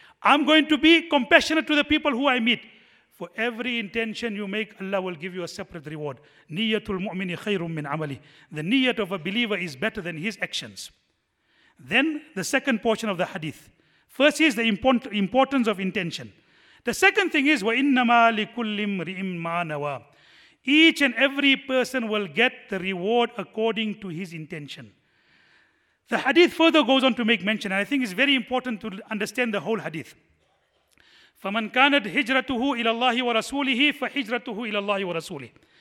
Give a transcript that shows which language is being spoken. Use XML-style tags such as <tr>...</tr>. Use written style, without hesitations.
<en>I'm going to be compassionate to the people who I meet. For every intention you make, Allah will give you a separate reward.</en> <ar>Niyatul mu'mini khayrun min amali.</ar> <en>The niyat of a believer is better than his actions. Then the second portion of the hadith. First is the importance of intention. The second thing is,</en> <ar>وَإِنَّمَا لِكُلِّ امْرِئٍ مَا نَوَى.</ar> <en>Each and every person will get the reward according to his intention. The hadith further goes on to make mention, and I think it's very important to understand the whole hadith.</en> <ar>فَمَنْ كَانَتْ هِجْرَتُهُ إِلَى اللَّهِ وَرَسُولِهِ فَهِجْرَتُهُ إِلَى اللَّهِ وَرَسُولِهِ.</ar>